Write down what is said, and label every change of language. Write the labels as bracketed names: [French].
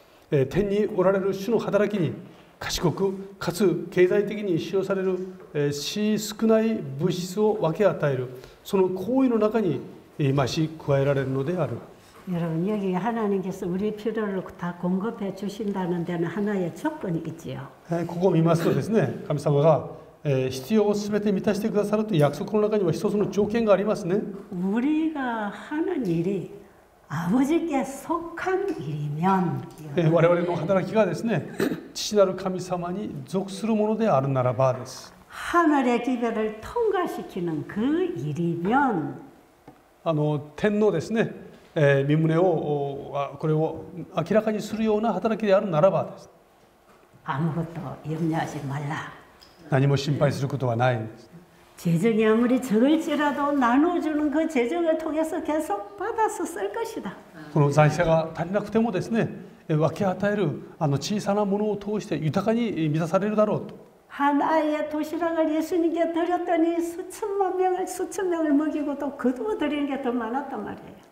[Japanese] る天におられる主の働きに賢くかつ経済的に使用される少ない物質を分け与えるその行為の中に増し加えられるのである [Korean] 여러분여기하나님께서우리필요를다공급해주신다는데는하나의조건이있지요 [Japanese] ここを見ますとですね神様が必要をすべて満たしてくださるという約束の中には一つの条件がありますね [Korean] 우리가하는일이아버지께속한일이면 [Japanese] 我々の働きがですね父なる神様に属するものであるならばです [Korean] 하늘의기별을통과시키는그일이면 [Japanese] 天のですね身胸をこれを明らかにするような働きであるならばです [Korean] 아무것도염려하지말라 [Japanese] 何も心配することはない [Korean] 재정이아무리적을지라도나눠주는그재정을통해서계속받아서쓸것이다 [Japanese] この財政が足りなくてもですね分け与える小さなものを通して豊かに満たされるだろうと [Korean] 하나의도시락을예수님께드렸더니수천명을먹이고또거두어드리는게더많았단말이에요